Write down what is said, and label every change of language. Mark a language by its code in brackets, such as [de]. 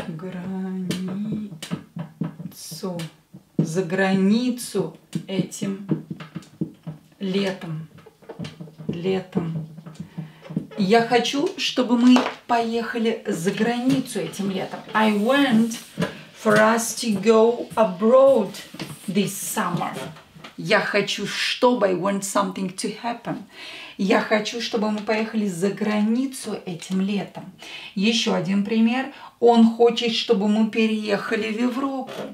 [ru] Границу. За границу этим летом. Летом. Я хочу, чтобы мы поехали за границу этим летом. [en] I want for us to go abroad this summer. [ru] Я хочу, чтобы. [en] I want something to happen. [ru] Я хочу, чтобы мы поехали за границу этим летом. Еще один пример. Он хочет, чтобы мы переехали в Европу.